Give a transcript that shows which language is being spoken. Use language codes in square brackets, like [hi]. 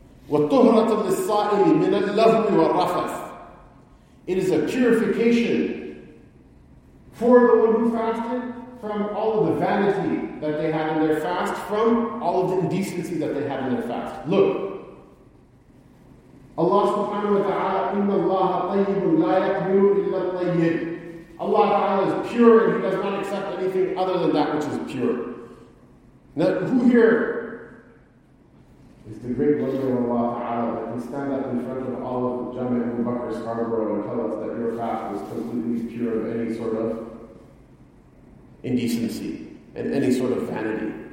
[ar] وَالطُّهْرَةُ لِلصَّائِمِ مِنَ اللَّهُمِ وَالرَّفَثِ. [en] It is a purification for the one who fasted from all of the vanity that they had in their fast, from all of the indecency that they had in their fast. Look. [ar] Allah subhanahu wa ta'ala, إِنَّ اللَّهَ طَيِّبٌ لَا يَقْبِلُ إِلَّا الطَّيِّبُ. [en] Allah ta'ala is pure and He does not accept anything other than that which is pure. Now, who here is the great wonder of Allah ta'ala that can stand up in front of all of the Jama'at Abu Bakr Scarborough and tell us that your fast was completely pure of any sort of indecency and any sort of vanity?